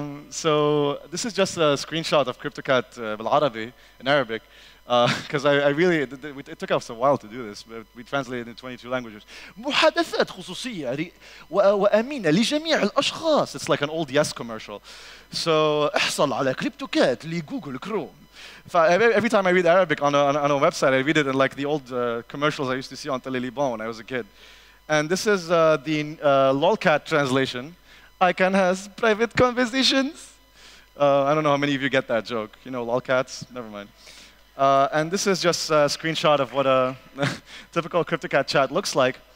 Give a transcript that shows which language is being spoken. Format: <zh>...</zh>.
<en>So this is just a screenshot of Cryptocat</en> <ar>بالعربي,</ar> <en>in Arabic, because it took us a while to do this, but we translated it in 22 languages.</en> <ar>محادثات خصوصية وأمينة لجميع الأشخاص.</ar> <en>It's like an old Yes commercial.</en> <ar>So احصل على Cryptocat لجوجل كروم.</ar> <en>Every time I read Arabic on a website, I read it in like the old commercials I used to see on Teleliban when I was a kid. And this is the lolcat translation. I can have private conversations. I don't know how many of you get that joke. You know, lolcats? Never mind. And this is just a screenshot of what a typical Cryptocat chat looks like.</en>